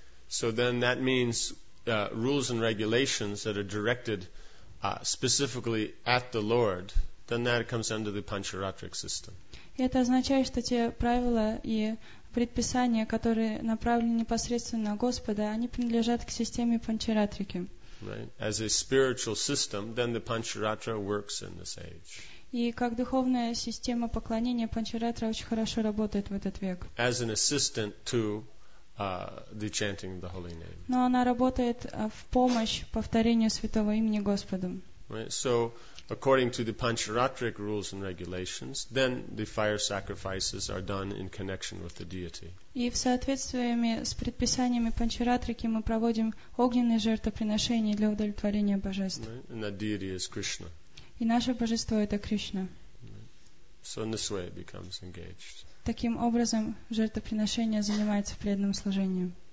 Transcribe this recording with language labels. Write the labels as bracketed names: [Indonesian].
[English] So then that means rules and regulations that are directed specifically at the Lord, then that comes under the Pancharatrik system. [Russian] Это означает, что те правила и предписания, которые направлены непосредственно на Господа, они принадлежат к системе Панчаратрики. [English] Right. As a spiritual system, then the Pancharatra works in this age. [Russian] И как духовная система поклонения, Панчаратра очень хорошо работает в этот век. [English] As an assistant to the chanting of the holy name. [Russian] Но она работает в помощь повторению святого имени Господу. [English] Right. So, according to the Pancharatric rules and regulations, then the fire sacrifices are done in connection with the deity. [Russian] И в соответствии с предписаниями Панчаратрики мы проводим огненные жертвоприношения для удовлетворения божеств. [English] Right. And that deity is Krishna. [Russian] И наше божество — это Кришна. [English] So in this way it becomes engaged. [Russian] Таким образом, жертвоприношение занимается преданным служением.